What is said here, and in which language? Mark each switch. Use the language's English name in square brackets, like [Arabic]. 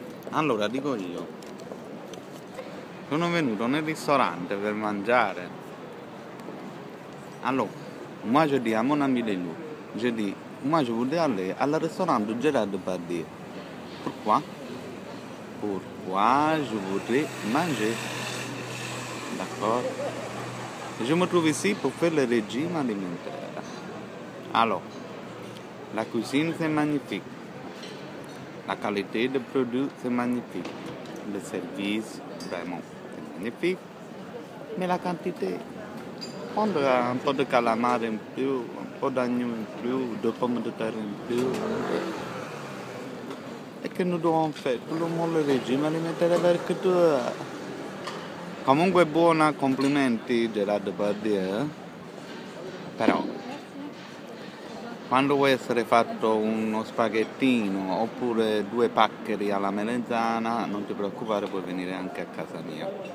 [Italian] Allora, dico io. Sono venuto nel ristorante per mangiare. Allora, ma ci diamo un amico di lui. Ci ma ci vuole andare al ristorante Gerardo per dire. [French] Pourquoi je voudrais manger. D'accord. Je me trouve ici pour faire le régime alimentaire. Alors, la cuisine c'est magnifique. La qualité des produits c'est magnifique. Le service, vraiment, c'est magnifique. Mais la quantité, prendre un peu de calamar en plus, un peu d'agneau en plus, deux pommes de terre en plus. [Italian] E che noi dobbiamo fare? Tu lo molli il regime alimentare perché tu... Comunque buona, complimenti Gerard Depardieu, eh? Però quando vuoi essere fatto uno spaghettino oppure due paccheri alla melanzana, non ti preoccupare, puoi venire anche a casa mia.